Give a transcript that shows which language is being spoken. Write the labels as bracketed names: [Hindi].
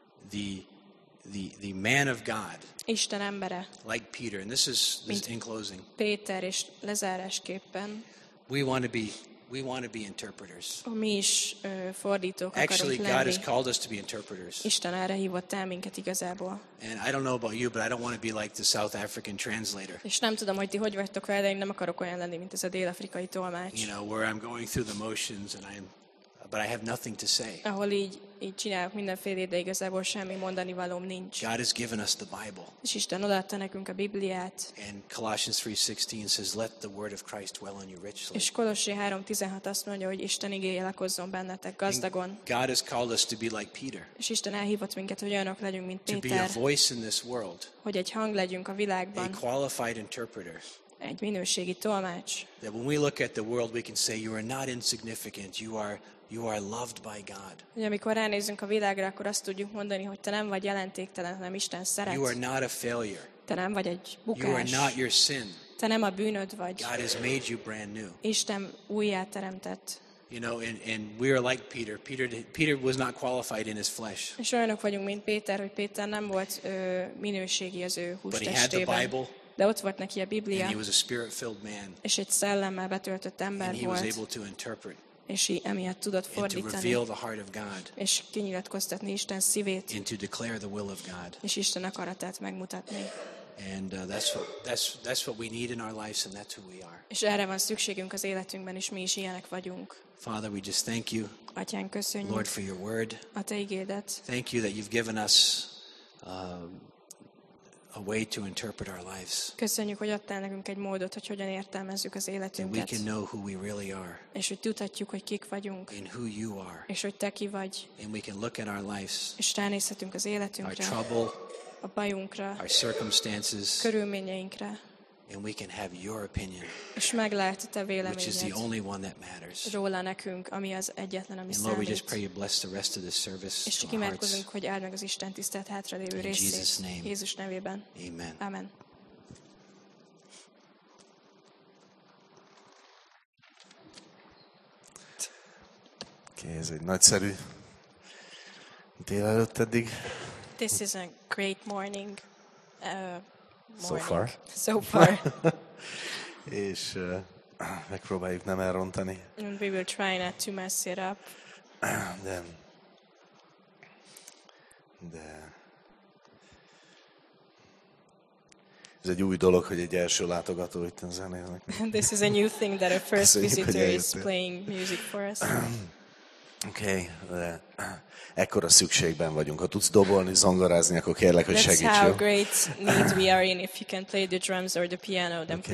[English] The the man of God. [Hungarian] Isten embere. [English] Like Peter, and this is in closing. [Hungarian] Péter és lezárásképpen. [English] We want to be interpreters. [Hungarian] Mi is fordítók akarunk [English] Actually, [Hungarian] lenni. [English] God has called us to be interpreters. [Hungarian] Isten erre hívott el minket igazából. [English] And I don't know about you, but I don't want to be like the South African translator. [Hungarian] És nem tudom, hogy ti hogy vagytok vele, én nem akarok olyan lenni, mint ez a dél-afrikai tolmács. [English] You know, where I'm going through the motions and but I have nothing to say. [Hungarian] Ahol így csinálok mindenféle, de igazából semmi mondani valóm nincs. [English] God has given us the Bible. [Hungarian] És Isten odaadta nekünk a Bibliát. [English] And Colossians 3:16 says, "Let the word of Christ dwell in you richly." [Hungarian] És Kolossi 3:16 azt mondja, hogy Isten igéje lakozzon bennetek gazdagon. [English] God has called us to be like Peter. [Hungarian] És Isten elhívott minket, hogy olyanok legyünk, mint Péter. [English] To be a voice in this world. [Hungarian] Hogy egy hang legyünk a világban. [English] A qualified interpreter. [Hungarian] Egy minőségi tolmács. [English] That when we look at the world, we can say, "You are not insignificant. You are loved by God." [Hungarian] Amikor ránézünk a világra, akkor azt tudjuk mondani, hogy te nem vagy jelentéktelen, hanem Isten szeret. [English] You are not a failure. [Hungarian] Te nem vagy egy bukás. [English] You are not your sin. [Hungarian] Te nem a bűnöd vagy. [English] God has made you brand new. [Hungarian] Isten újjáteremtett. [English] You know, and we are like Peter. Peter was not qualified in his flesh. [Hungarian] És olyanok vagyunk, mint Péter, hogy Péter nem volt minőségi az ő hústestében. [English] But he had the Bible. [Hungarian] De ott volt neki a Biblia. [English] And he was a spirit-filled man. [Hungarian] És egy szellemmel betöltött ember volt. [English] And he was able to interpret. [Hungarian] És emiatt tudott fordítani, [English] God, [Hungarian] és kinyilatkoztatni Isten szívét, [English] and to declare the will of God. [Hungarian] És Isten akaratát megmutatni. [English] And that's what we need in our lives, and that's who we are. [Hungarian] És erre van szükségünk az életünkben, és mi is ilyenek vagyunk. [English] Father, we just thank you, [Hungarian] Atyán, köszönjük, [English] Lord, for your word. [Hungarian] A te igédet. [English] Thank you that you've given us a way to interpret our lives. [Hungarian] Köszönjük, hogy adtál nekünk egy módot, hogy hogyan értelmezzük az életünket. [English] And we can know who we really are. [Hungarian] És hogy tudhatjuk, hogy kik vagyunk. [English] And who you are. [Hungarian] És hogy te ki vagy. [English] And we can look at our lives. [Hungarian] És ránézhetünk az életünkre. [English] Our trouble. [Hungarian] A bajunkra. [English] Our circumstances. [Hungarian] Körülményeinkre. [English] And we can have your opinion. [Hungarian] És meg lehet a te véleményed. [English] Which is the only one that matters. [Hungarian] Róla nekünk, ami az egyetlen, ami számít. [English] And Lord, we just pray you bless the rest of this service. [Hungarian] És csak imádkozunk, hogy áld meg az Isten tisztelt hátralévő részét. [English] In Jesus name. [Hungarian] Jézus nevében. [English] Amen. [Hungarian] Amen. Okay, ez egy nagyszerű délelőtt eddig. [English] This is a great morning. So far. [Hungarian] És megpróbáljuk nem elrontani. [English] And we will try not to mess it up. [Hungarian] De ez egy új dolog, hogy egy első látogató itt zenélnek. [English] This is a new thing that a first visitor is playing music for us. [Hungarian] Okay, de ekkora szükségben vagyunk. Ha tudsz dobolni, zongorázni, akkor kérlek, hogy segíts. [English] That's how great need we are in. If you can play the drums or the piano, then okay.